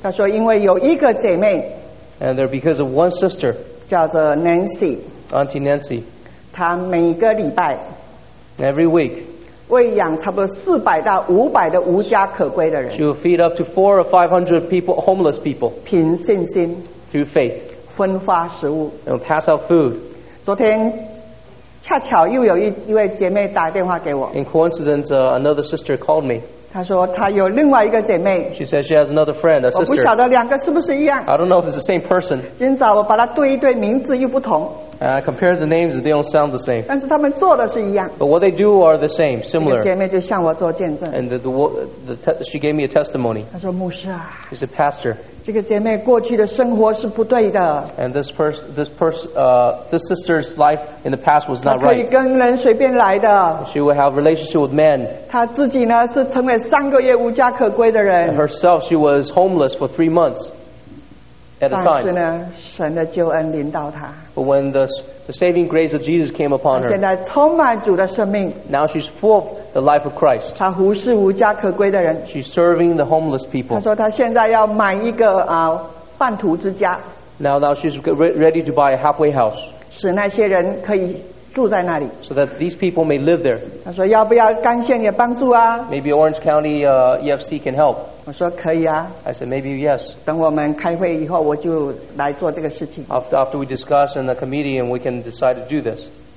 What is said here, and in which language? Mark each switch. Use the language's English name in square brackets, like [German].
[English] And they're because of one sister, Nancy, Auntie Nancy. Every week, she will feed up to 400 or 500 people, homeless people, [Chinese] 凭信心, [English] through faith, [Chinese] 分发食物, [English] and pass out food. [Chinese] 昨天恰巧又有一位姐妹打电话给我, [English] in coincidence, another sister called me. [Chinese] 她说她有另外一个姐妹, [English] she said she has another friend, a sister. [Chinese] 我不晓得两个是不是一样, [English] I don't know if it's the same person. [Chinese] 今早我把她对一对, 名字又不同, [English] compare the names, they don't sound the same. [Chinese] 但是他们做的是一样, [English] but what they do are the same, similar. [Chinese] 姐妹就向我做见证, [English] and she gave me a testimony. [Chinese] 她说牧师啊, [English] she said, pastor, [Chinese] 这个姐妹过去的生活是不对的, [English] and this sister's life in the past was not right. [Chinese] 她可以跟人随便来的, [English] she would have a relationship with men. [Chinese] 她自己呢是成为三个月无家可归的人, [English] and herself, she was homeless for 3 months at a time. [Chinese] 但是呢, 神的救恩临到她, [English] but when the saving grace of Jesus came upon her, [Chinese] 现在充满主的生命, [English] now she's full of the life of Christ. [Chinese] 她服侍无家可归的人, [English] she's serving the homeless people. [Chinese] 她说她现在要买一个, 半途之家, [English] now she's ready to buy a halfway house, [Chinese] 使那些人可以住在那里, [English] so that these people may live there. [Chinese] 她说要不要甘县也帮助啊? [English] Maybe Orange County EFC can help. [Chinese] 我说可以啊, [English] I said maybe yes. [Chinese] 等我们开会以后我就来做这个事情, [English] after we discuss in the committee and we can decide to do this.